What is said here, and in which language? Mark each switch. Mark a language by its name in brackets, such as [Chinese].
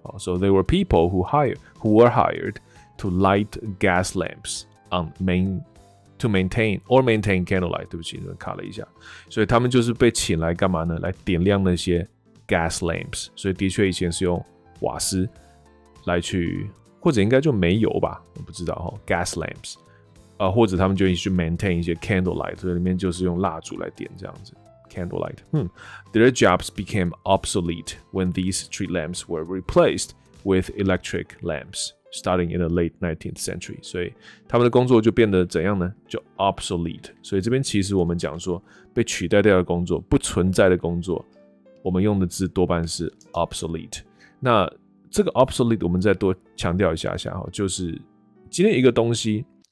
[English] So they were people who were hired to light gas lamps on to maintain candlelight。 [Chinese] 对不起，卡了一下。所以他们就是被请来干嘛呢？来点亮那些 gas lamps。所以的确以前是用瓦斯来去，或者应该就煤油吧，我不知道哈。 Gas lamps， 或者他们就一去 maintain 一些 candlelight， 所以里面就是用蜡烛来点这样子。Candlelight. [English] Their jobs became obsolete when these street lamps were replaced with electric lamps, starting in the late 19th century. [Chinese] 所以他们的工作就变得怎样呢？就 obsolete. 所以这边其实我们讲说被取代掉的工作，不存在的工作，我们用的字多半是 obsolete. 那这个 obsolete 我们再多强调一下下哈，就是今天一个东西。